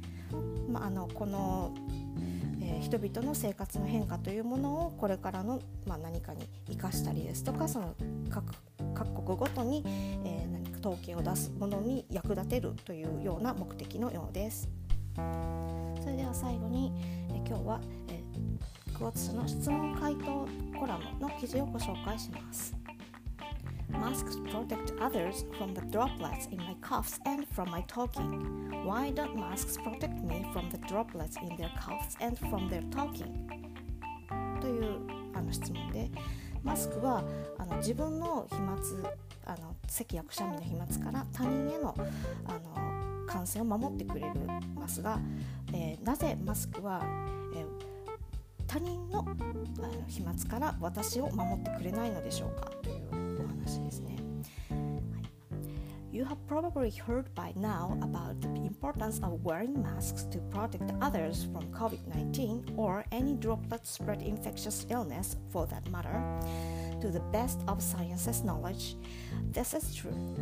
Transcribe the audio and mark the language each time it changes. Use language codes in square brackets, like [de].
[ja] この人々の生活の変化というものをこれからの、何かに生かしたりですとか、その 各国ごとに、何か統計を出すものに役立てるというような目的のようです。それでは最後に、今日は、クォーツ社の質問回答コラムの記事をご紹介します。 [en] Masks protect others from the droplets in my coughs and from my talking. Why don't masks protect me from the droplets in their coughs and from their talking? [ja] という質問で、マスクは自分の飛沫、咳やくしゃみの飛沫から他人への感染を守ってくれるマスクが、なぜマスクは、他人の飛沫から私を守ってくれないのでしょうかというお話ですね。 [en] You have probably heard by now about the importance of wearing masks to protect others from COVID-19 or any droplet spread infectious illness for that matter, to the best of science's knowledge. This is true.